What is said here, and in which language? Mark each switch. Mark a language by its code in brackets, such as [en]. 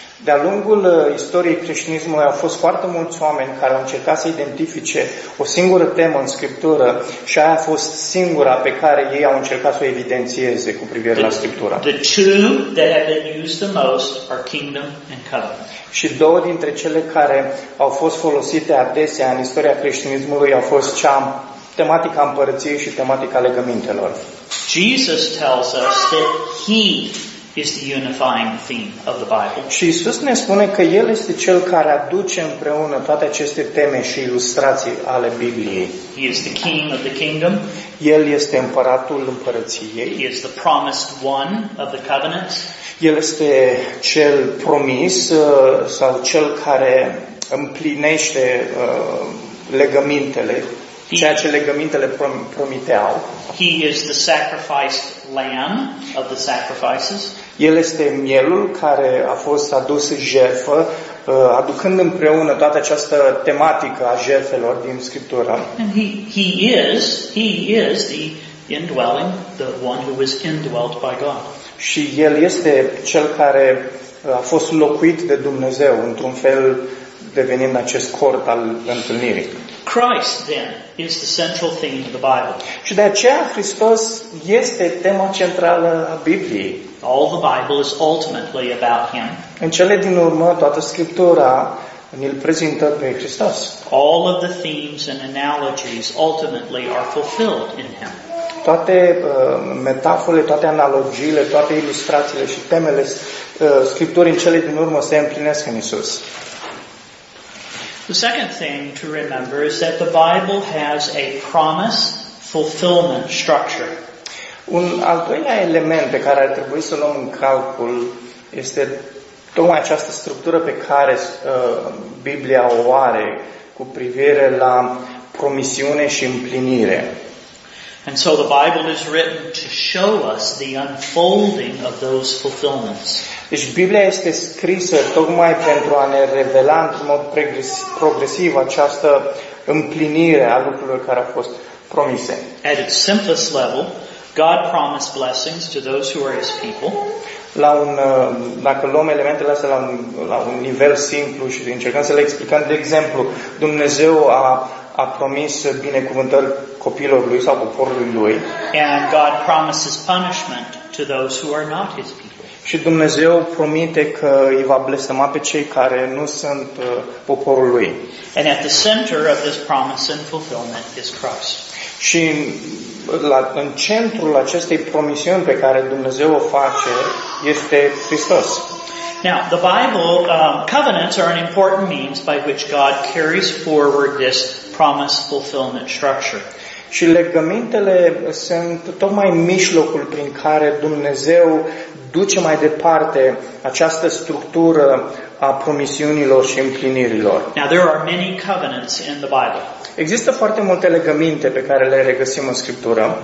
[ro] De-a lungul istoriei creștinismului au fost foarte mulți oameni care au încercat să identifice o singură temă în Scriptură și aia a fost singura pe care ei au încercat să o evidențieze cu privire la Scriptura. [en] The two that have been used the most are kingdom and covenant. [ro] Și două dintre cele care au fost folosite adesea în istoria creștinismului au fost cea tematica împărăției și tematica legămintelor. [en] Jesus tells us that he is the unifying theme of the Bible. [ro] Și Iisus ne spune că el este cel care aduce împreună toate aceste teme și ilustrații ale Bibliei. [en] He is the king of the kingdom. [ro] El este împăratul împărăției. [en] He is the promised one of the covenant. [ro] El este cel promis sau cel care împlinește legămintele. Ceea ce legămintele promiteau. [en] He is the sacrificed lamb of the sacrifices. [ro] El este mielul care a fost adus jertfă, aducând împreună toată această tematică a jertfelor din Scriptură. [en] And he is the indwelling, the one who is indwelt by God. [ro] Și el este cel care a fost locuit de Dumnezeu într-un fel, devenind acest cort al întâlnirii. [en] Christ then is the central theme of the Bible. [ro] Și de aceea Hristos este tema centrală a Bibliei. [en] All the Bible is ultimately about him. [ro] În cele din urmă toată Scriptura ne-l prezintă pe Hristos. [en] All of the themes and analogies ultimately are fulfilled in him. [ro] Toate metaforele, toate analogiile, toate ilustrațiile și temele Scripturii în cele din urmă se împlinesc în Isus. [en] The second thing to remember is that the Bible has a promise fulfillment structure. [ro] Un al doilea element pe care ar trebui să luăm în calcul este tocmai această structură pe care Biblia o are cu privire la promisiune și împlinire. [en] And so the Bible is written to show us the unfolding of those fulfillments. [ro] Deci Biblia este scrisă tocmai pentru a ne revela într-un mod progresiv această împlinire a lucrurilor care au fost promise. [en] At its simplest level, God promised blessings to those who are his people. [ro] La un, dacă luăm elementele astea la un nivel simplu și încercăm să le explicăm, de exemplu, Dumnezeu a promis binecuvântări copiilor lui sau poporului lui. [en] And God promises punishment to those who are not his people. [ro] Și Dumnezeu promite că îi va blestema pe cei care nu sunt poporul lui. [en] And at the center of this promise and fulfillment is Christ. [ro] Și în centrul acestei promisiuni pe care Dumnezeu o face este Hristos. [en] Now, the Bible, covenants are an important means by which God carries forward this promise fulfillment structure. [ro] Și legămintele sunt tocmai mijlocul prin care Dumnezeu duce mai departe această structură a promisiunilor și împlinirilor. [en] Now, there are many covenants in the Bible. [ro] Există foarte multe legăminte pe care le regăsim în Scriptură.